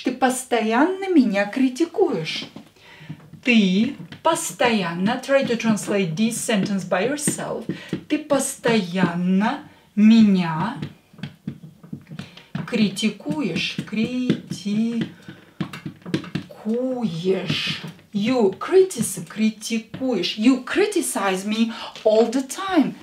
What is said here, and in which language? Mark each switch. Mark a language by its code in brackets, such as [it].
[ru] Ты постоянно меня критикуешь. Ты... Постоянно, [en] try to translate this sentence by yourself. [ru] Ты постоянно меня критикуешь. Критикуешь. Критикуешь. [en] You criticize me all the time.